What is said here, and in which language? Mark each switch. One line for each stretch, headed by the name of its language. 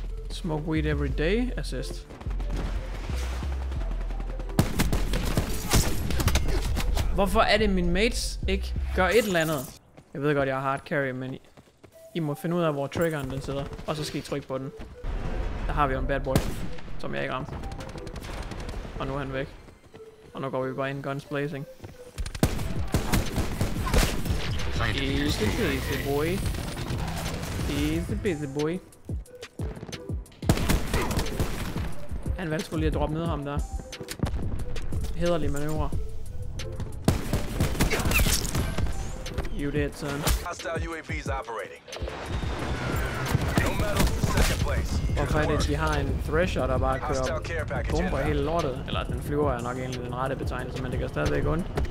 English: Smoke weed every day, assist.
Danish: Hvorfor er det, min mates ikke gør et eller andet? Jeg ved godt, jeg har hard carry, men I må finde ud af, hvor triggeren den sidder. Og så skal I trykke på den. Der har vi jo en bad boy, som jeg ikke ramte. Og nu er han væk. Og nu går vi bare ind,
English: guns blazing. Easy busy boy. Easy busy boy.
Danish: Han valgte sgu lige at droppe ned ham der. Hederlig manøvre.
English: You did, son. Hostile UAVs operating. No medals for second place.
Danish: Hvorfor er det, at de har en thresher, der bare kører op og bomber hele lortet? Eller den flyver er nok egentlig den rette betegnelse, men det gør stadigvæk ondt.